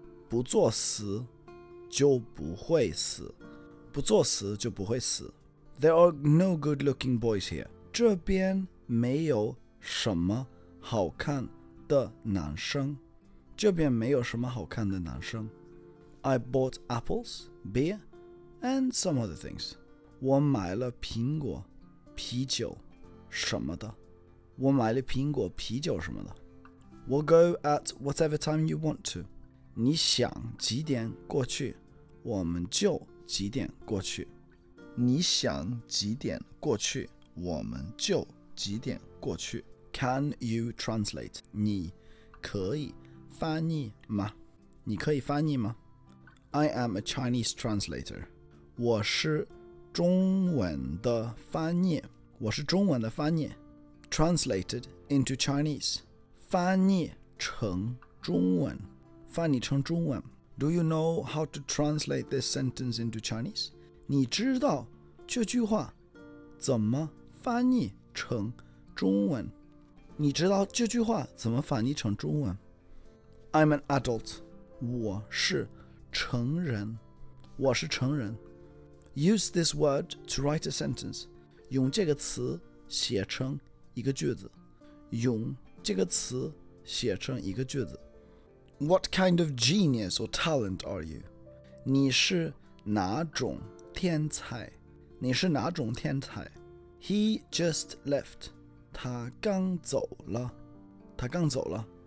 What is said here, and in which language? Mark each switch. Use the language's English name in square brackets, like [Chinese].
[Chinese] 不作死就不会死。不作死就不会死。 [English] There are no good-looking boys here. [Chinese] 这边没有什么好看的男生。这边没有什么好看的男生。 [English] I bought apples, beer, and some other things. [Chinese] 我买了苹果、啤酒什么的。我买了苹果、啤酒什么的。 [English] We'll go at whatever time you want to. [Chinese] 你想几点过去，我们就几点过去。你想几点过去，我们就几点过去。 [English] Can you translate? [Chinese] 你可以翻译吗？你可以翻译吗？ [English] I am a Chinese translator. [Chinese] 我是中文的翻译。我是中文的翻译。 [English] Translated into Chinese. [Chinese] 翻译成中文，翻译成中文。 [English] Do you know how to translate this sentence into Chinese? [Chinese] 你知道这句话怎么翻译成中文？你知道这句话怎么翻译成中文 [English] ？I'm an adult. [Chinese] 我是成人，我是成人。 [English] Use this word to write a sentence. [Chinese] 用这个词写成一个句子。用。这个词写成一个句子。 [English] What kind of genius or talent are you? [Chinese] 你是哪种天才？你是哪种天才？ [English] He just left. [Chinese] 他刚走了。他刚走了。